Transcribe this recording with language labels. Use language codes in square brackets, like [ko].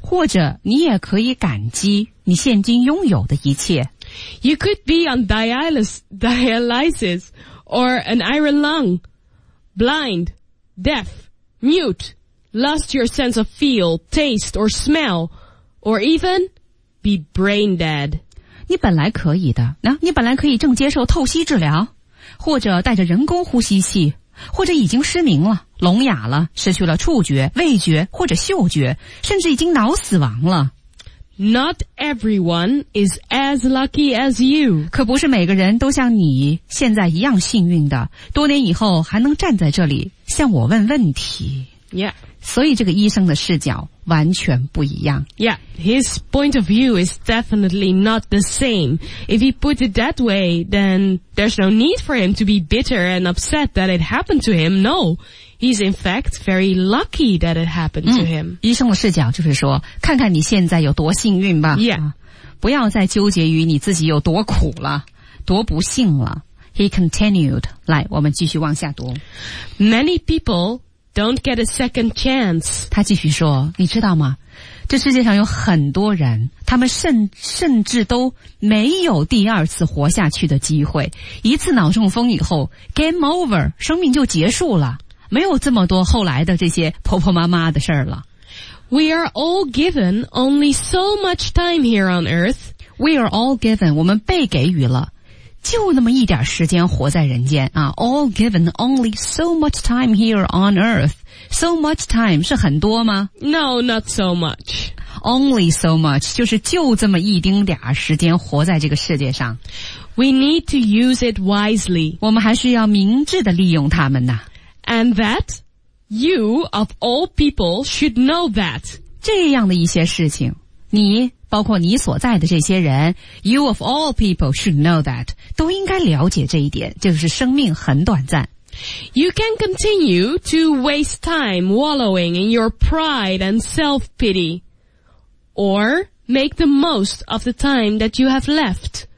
[zh] 或者你也可以感激你现今拥有的一切。 [en] You could be on dialysis or an iron lung, blind, deaf, mute, lost your sense of feel, taste or smell, or even be brain dead. [zh] 你本来可以的，你本来可以正接受透析治疗，或者带着人工呼吸器。或者已经失明了聋哑了失去了触觉味觉或者嗅觉甚至已经脑死亡了 [en] Not everyone is as lucky as you [zh] 可不是每个人都像你现在一样幸运的多年以后还能站在这里向我问问题 Yeah 所以这个医生的视角完全不一样 [en] Yeah His point of view is definitely not the same If he put it that way Then there's no need for him to be bitter and upset that it happened to him No He's in fact very lucky that it happened to him [zh] 医生的视角就是说看看你现在有多幸运吧 Yeah、不要再纠结于你自己有多苦了多不幸了 [en] He continued [zh] 来我们继续往下读 [en] Many peopledon't get a second chance. [zh] 他继续说你知道吗这世界上有很多人他们甚至都没有第二次活下去的机会。一次脑中风以后 , [en] game over, [zh] 生命就结束了。没有这么多后来的这些婆婆妈妈的事儿了。 [en] We are all given only so much time here on earth. We are all given, [zh] 我们被给予了。就那么一点时间活在人间啊 [en] ,all given only so much time here on earth. So much [zh] time 是很多吗 [en] ?No, not so much. Only so much, [zh] 就是就这么一丁点时间活在这个世界上。 [en] We need to use it wisely. [zh] 我们还是要明智地利用它们呢。 [en] And that, you of all people should know that. [zh] 这样的一些事情你包括你所在的这些人 [en] You of all people should know that [zh] 都应该了解这一点就是生命很短暂 [en] You can continue to waste time wallowing in your pride and self-pity Or make the most of the time that you have left